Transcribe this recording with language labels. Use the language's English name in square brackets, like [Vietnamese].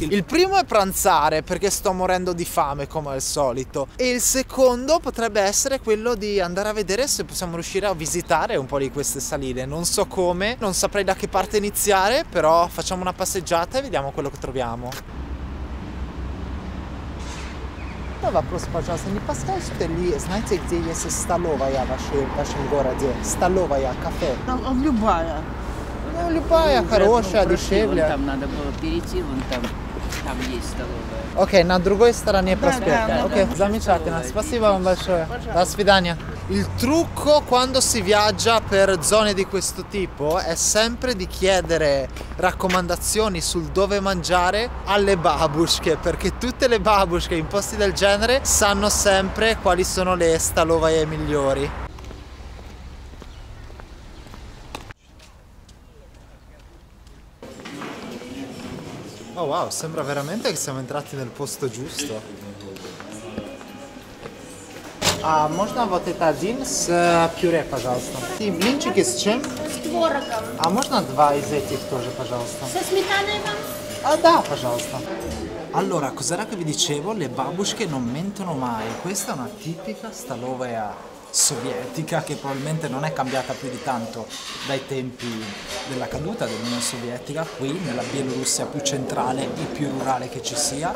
[Italian] Il primo è pranzare, perché sto morendo di fame come al solito, e il secondo potrebbe essere quello di andare a vedere se possiamo riuscire a visitare un po' di queste saline. Non so come, non saprei da che parte iniziare, però facciamo una passeggiata e vediamo quello che troviamo. Dove prospaciasi? [Russian] Mi passai su te lì, знаете, где есть столовая в вашем городе? Столовая, кафе. Там любая. Ну, любая, ну, хорошая, ну, дешевле. Там надо было перейти, вон там, там есть столовая. Окей, на другой стороне проспекта. Окей, замечательно. Спасибо вам большое. До свидания. [Italian] Il trucco quando si viaggia per zone di questo tipo è sempre di chiedere raccomandazioni sul dove mangiare alle babushke, perché tutte le babushke in posti del genere sanno sempre quali sono le stalovaie migliori. Oh wow, sembra veramente che siamo entrati nel posto giusto. [Russian] А можно вот это один с пюре, пожалуйста? И блинчики с чем? С творогом. А можно 2 из этих тоже, пожалуйста? Со сметаной вам? А да, пожалуйста. [Italian] Allora, cos'era che vi dicevo? Le babushke non mentono mai. Questa è una tipica stalovaia sovietica che probabilmente non è cambiata più di tanto dai tempi della caduta dell'Unione Sovietica, qui nella Bielorussia più centrale e più rurale che ci sia.